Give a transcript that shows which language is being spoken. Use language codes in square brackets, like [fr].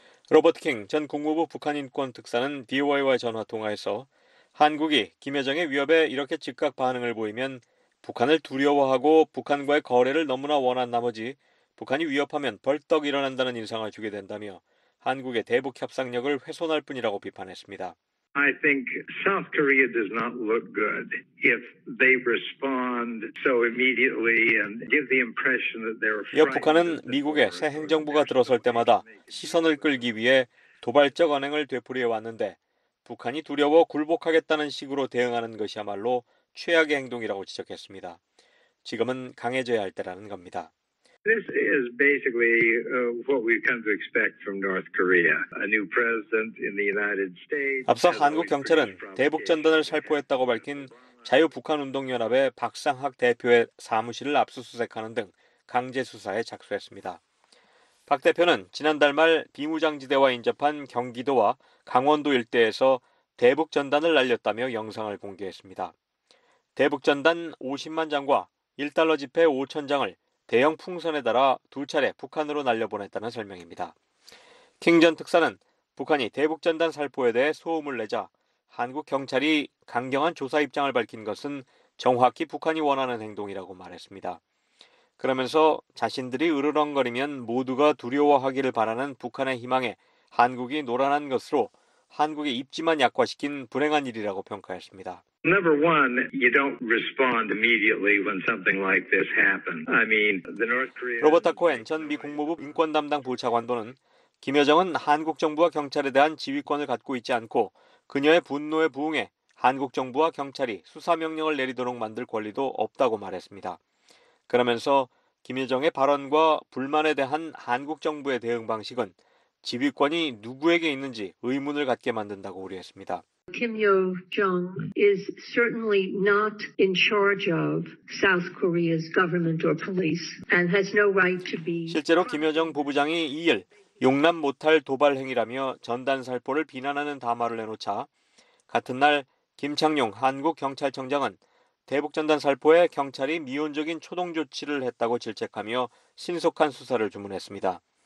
[ko] 로버트 킹 전 국무부 북한인권특사는 VOA와 전화통화에서 한국이 김여정의 위협에 이렇게 즉각 반응을 보이면 북한을 두려워하고 북한과의 거래를 너무나 원한 나머지 북한이 위협하면 벌떡 일어난다는 인상을 주게 된다며 한국의 대북 협상력을 훼손할 뿐이라고 비판했습니다. [en] I think South Korea does not look good if they respond so immediately and give the impression that they're afraid. [ko] 이어 북한은 미국의 새 행정부가 들어설 때마다 시선을 끌기 위해 도발적 언행을 되풀이해 왔는데 북한이 두려워 굴복하겠다는 식으로 대응하는 것이야말로 최악의 행동이라고 지적했습니다. 지금은 강해져야 할 때라는 겁니다. [en] This is basically what we've come to expect from North Korea. A new president in the United States. [ko] 앞서 한국 경찰은 대북 전단을 살포했다고 밝힌 자유북한운동연합의 박상학 대표의 사무실을 압수수색하는 등 강제 수사에 착수했습니다. 박 대표는 지난달 말 비무장지대와 인접한 경기도와 강원도 일대에서 대북 전단을 날렸다며 영상을 공개했습니다. 대북 전단 50만 장과 1달러 지폐 5천 장을 대형 풍선에 달아 두 차례 북한으로 날려보냈다는 설명입니다. 킹 전 특사는 북한이 대북 전단 살포에 대해 소음을 내자 한국 경찰이 강경한 조사 입장을 밝힌 것은 정확히 북한이 원하는 행동이라고 말했습니다. 그러면서 자신들이 으르렁거리면 모두가 두려워하기를 바라는 북한의 희망에 한국이 노란한 것으로 한국의 입지만 약화시킨 불행한 일이라고 평가했습니다. [en] Number one, you don't respond immediately when something like this happens. I mean, the North Korea. [ko] 로버타 코엔 전 미 국무부 인권 담당 부차관도는 김여정은 한국 정부와 경찰에 대한 지휘권을 갖고 있지 않고 그녀의 분노에 부응해 한국 정부와 경찰이 수사 명령을 내리도록 만들 권리도 없다고 말했습니다. 그러면서 김여정의 발언과 불만에 대한 한국 정부의 대응 방식은 지휘권이 누구에게 있는지 의문을 갖게 만든다고 우려했습니다. [en] Kim Yo-jong is certainly not in charge of South Korea's government or police and has no right to be. [ko] 실제로 김여정 부부장이 2일 용납 못할 도발 행위라며 전단 살포를 비난하는 담화를 내놓자 같은 날 김창룡 한국 경찰청장은 대북 전단 살포에 경찰이 미온적인 초동 조치를 했다고 질책하며 신속한 수사를 주문했습니다.